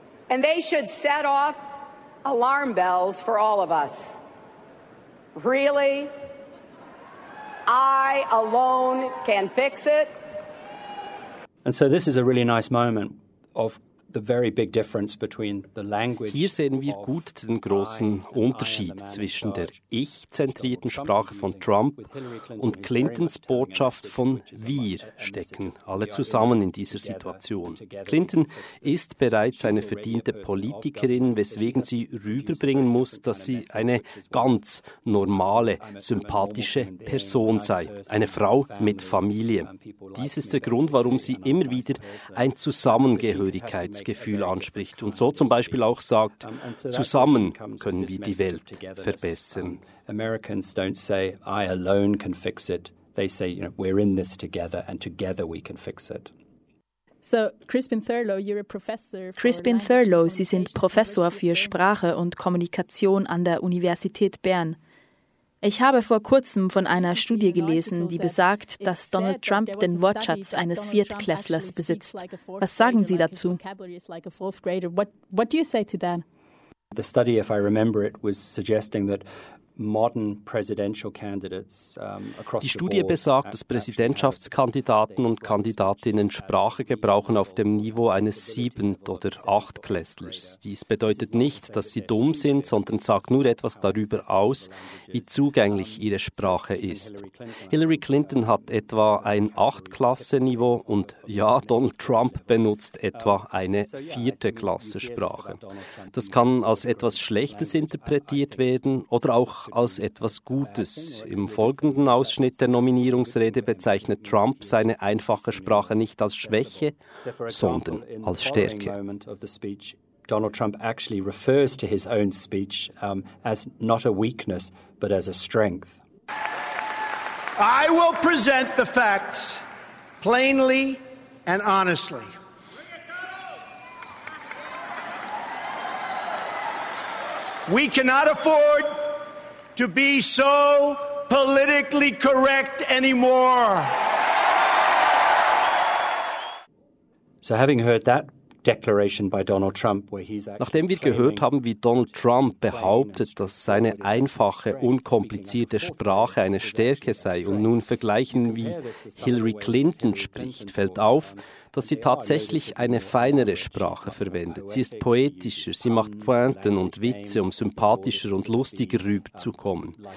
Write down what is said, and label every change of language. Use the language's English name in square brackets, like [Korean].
[English] And they should set off alarm bells for all of us. Really? I alone can fix it? And so this is a really nice moment of [German] Hier sehen wir gut den großen Unterschied zwischen der ich-zentrierten Sprache von Trump und Clintons Botschaft von wir stecken alle zusammen in dieser Situation. Clinton ist bereits eine verdiente Politikerin, weswegen sie rüberbringen muss, dass sie eine ganz normale, sympathische Person sei, eine Frau mit Familie. Dies ist der Grund, warum sie immer wieder ein Zusammengehörigkeit Gefühl anspricht und so zum Beispiel auch sagt, zusammen können wir die Welt verbessern. [English] Americans don't say, I alone can fix it. They say, you know, we're in this together and together we can fix it. So, Crispin Thurlow, you're a professor. [German] Crispin Thurlow, Sie sind Professor für Sprache und Kommunikation an der Universität Bern. Ich habe vor kurzem von einer Studie gelesen, die besagt, dass Donald Trump den Wortschatz eines Viertklässlers besitzt. Was sagen Sie dazu? [English] The study, if I remember it, was suggesting that modern presidential candidates across [German] Die Studie besagt, dass Präsidentschaftskandidaten und Kandidatinnen Sprache gebrauchen auf dem Niveau eines Siebent- oder Achtklässlers. Dies bedeutet nicht, dass sie dumm sind, sondern sagt nur etwas darüber aus, wie zugänglich ihre Sprache ist. Hillary Clinton hat etwa ein Achtklasse-Niveau und ja, Donald Trump benutzt etwa eine vierte Klasse-Sprache. Das kann als etwas Schlechtes interpretiert werden oder auch als etwas Gutes. Im folgenden Ausschnitt der Nominierungsrede bezeichnet Trump seine einfache Sprache nicht als Schwäche, sondern als Stärke. [English] Donald Trump actually refers to his own speech as not a weakness, but as a strength. I will present the facts plainly and honestly. We cannot afford to be so politically correct anymore. So having heard that declaration by Donald Trump, where he's actually [German] Nachdem wir gehört haben, wie Donald Trump behauptet, dass seine einfache, unkomplizierte Sprache eine Stärke sei und nun vergleichen, wie Hillary Clinton spricht, fällt auf, dass sie tatsächlich eine feinere Sprache verwendet. Sie ist poetischer, sie macht Pointen und Witze, um sympathischer und lustiger rüberzukommen.